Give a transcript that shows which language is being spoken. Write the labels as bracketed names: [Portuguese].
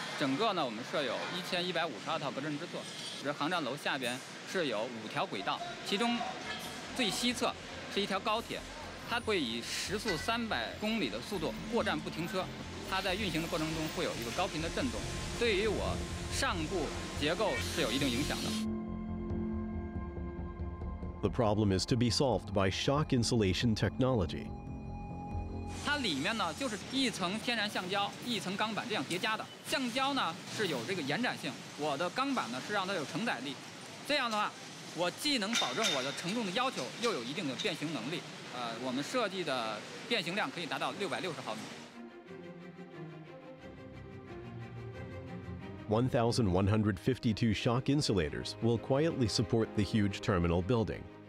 [Chinese] 整个呢，我们设有1152套隔震之作。这航站楼下边设有5条轨道，其中最西侧是一条高铁，它会以时速300公里的速度过站不停车。它在运行的过程中会有一个高频的震动，对于我上部结构是有一定影响的。 [English] The problem is to be solved by shock insulation technology. [Chinese] 它里面呢就是一层天然橡胶，一层钢板这样叠加的。橡胶呢是有这个延展性，我的钢板呢是让它有承载力。这样的话，我既能保证我的承重的要求，又有一定的变形能力。我们设计的变形量可以达到660毫米。 [English] 1,152 shock insulators will quietly support the huge terminal building.